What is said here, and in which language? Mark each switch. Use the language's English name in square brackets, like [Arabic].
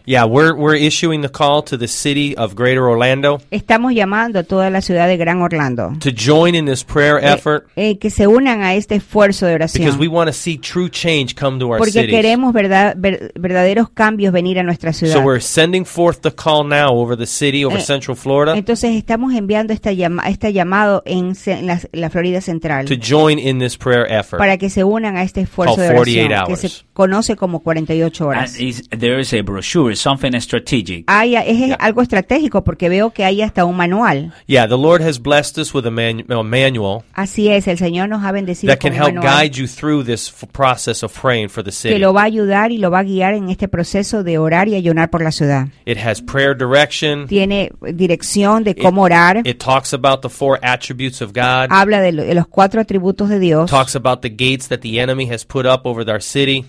[English] Yeah, we're issuing the call to the city of Greater Orlando. [Spanish] Estamos llamando a toda la ciudad de Gran Orlando. [English] To join in this prayer effort. [Spanish] Que se unan a este esfuerzo de oración. [English] Because we want to see true change come to our cities. [Spanish] Porque queremos verdaderos cambios venir a nuestra ciudad. [English] So we're sending forth the call now over the city, over Central Florida. [Spanish] Entonces estamos enviando este llamado en la Florida Central [English] to join in this prayer effort, [Spanish] para que se unan a este esfuerzo de oración que se conoce como 48 horas. [English] There is a brochure, something strategic. [Spanish] Algo estratégico porque veo que hay hasta un manual. [English] Yeah, the Lord has blessed us with a manual. [Spanish] Así es, el Señor nos ha bendecido con un manual [English] that can help guide you through this process of praying for the city. [Spanish] Que lo va a ayudar y lo va a guiar en este proceso de orar y ayunar por la ciudad. [English] It has prayer direction. [Spanish] Tiene dirección de cómo orar. [English] It talks about the four attributes of God. [Spanish] Habla de los cuatro atributos de Dios. [English] Talks about the gates that the enemy has put up over our city.